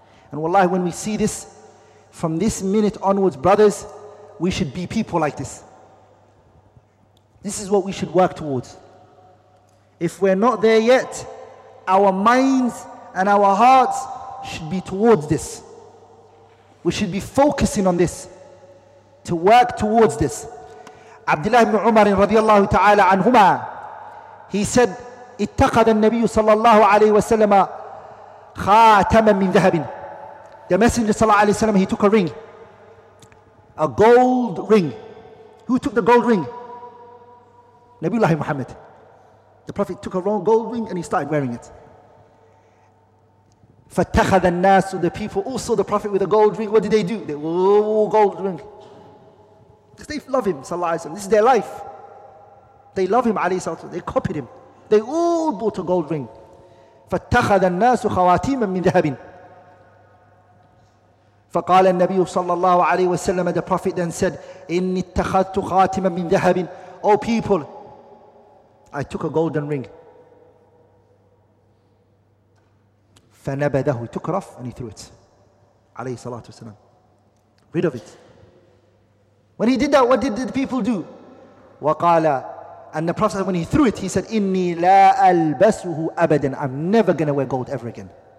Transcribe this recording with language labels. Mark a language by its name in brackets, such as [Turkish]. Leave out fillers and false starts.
[English] And wallahi, when we see this, from this minute onwards, brothers, we should be people like this. This is what we should work towards. If we're not there yet, our minds and our hearts should be towards this. We should be focusing on this, to work towards this. Abdullah ibn Umar radiallahu ta'ala anhuma, he said, [Arabic] اتخذ النبي صلى الله عليه وسلم خاتما من ذهب. [English] The Messenger صلى الله عليه وسلم, he took a ring, a gold ring. Who took the gold ring? Nabiullah Muhammad. The Prophet took a gold ring and he started wearing it. [Arabic] فَاتَّخَذَ النَّاسُ, [English] the people also, the Prophet with a gold ring, what did they do? They, oh, gold ring. Because they love him, صلى الله عليه وسلم. This is their life. They love him, عليه الصلاة والسلام. They copied him. They all bought a gold ring. [Arabic] فَاتَّخَذَ النَّاسُ خَوَاتِيمًا مِّن ذَهَبٍ. فَقَالَ النَّبِيُّ صَلَّى اللَّهُ عَلَيْهِ وَسَلَّمَ, [English] the Prophet then said, [Arabic] إِنِّي اتَّخَذْتُ خَاتِمًا مِّن ذَهَبٍ. [English] Oh people, I took a golden ring. فَنَبَدَهُ, took it off and he threw it. [Arabic] عليه الصلاة والسلام. [English] Rid of it. When he did that, what did the people do? وَقَالَ, and the Prophet, when he threw it, he said, [Arabic] إِنِّي لَا أَلْبَسُهُ أَبَدًا, [English] I'm never going to wear gold ever again.